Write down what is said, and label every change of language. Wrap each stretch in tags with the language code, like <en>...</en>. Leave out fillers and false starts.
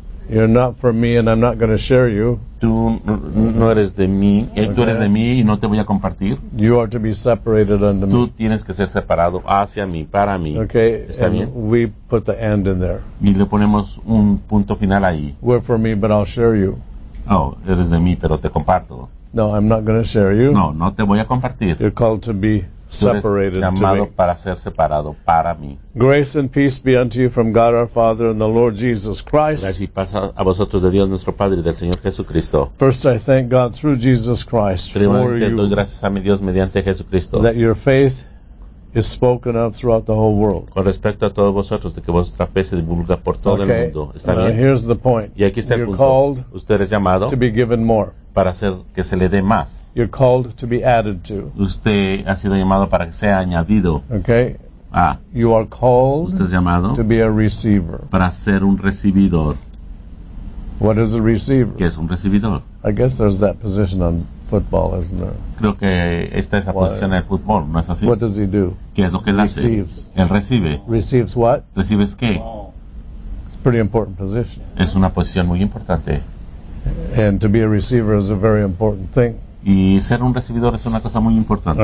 <en>You're not for me, and I'm not going to share you.</en> <es>Tú no eres de mí. Okay. Tú eres de mí, y no te voy a compartir.</es> <en>You are to be separated unto me.</en> <es>Tú tienes que ser separado hacia mí, para mí.</es> <en>Okay.</en> <es>¿Está</es> <en>and</en> <es>bien?</es> <en>We put the end in there.</en> <es>Y le ponemos un punto final ahí.</es> <en>We're for me, but I'll share you.</en> <es>Oh, eres de mí, pero te comparto.</es> <en>No, I'm not going to share you.</en> <es>No, no te voy a compartir.</es> <en>You're called to be separated to me.</en> <es>Llamado para ser separado para mí.</es> <en>Grace and peace be unto you from God our Father and the Lord Jesus Christ.</en> <es>Gracias y paz a vosotros de Dios nuestro Padre y del Señor Jesucristo.</es> <en>First I thank God through Jesus Christ for you.</en> <es>Primero doy gracias a mi Dios mediante Jesucristo.</es> <en>That your faith is spoken of throughout the whole world.</en> <es>Con respecto a todos vosotros, de que vuestra fe se divulga por todo</es> <en>okay.</en> <es>el mundo. ¿Está bien?</es> <en>Here's the point.</en> <es>Y aquí está el</es> <en>you're</en> <es>punto.</es> <en>Called</en> <es>usted es llamado</es> <en>to be given more.</en> <es>Para hacer que se le dé más.</es> <en>You're called to be added to.</en> <es>Usted ha sido llamado para que sea añadido.</es> <en>Okay. Ah. You are called</en> <es>usted es llamado</es> <en>to be a receiver.</en> <es>Para ser un recibidor.</es> <en>What is a receiver?</en> <es>¿Qué es un recibidor?</es> <en>I guess there's that position on football, isn't there?</en> <es>Creo que esta es la posición del fútbol, ¿no es así?</es> <en>What does he do?</en> <es>¿Qué es lo que él hace?</es> <en>Receives.</en> <es>Él recibe.</es> <en>Receives what?</en> <es>¿Recibes qué?</es> <en>It's a pretty important position.</en> <es>Es una posición muy importante.</es> <en>And to be a receiver is a very important thing.</en> <es>Y ser un recibidor es una cosa muy importante.</es>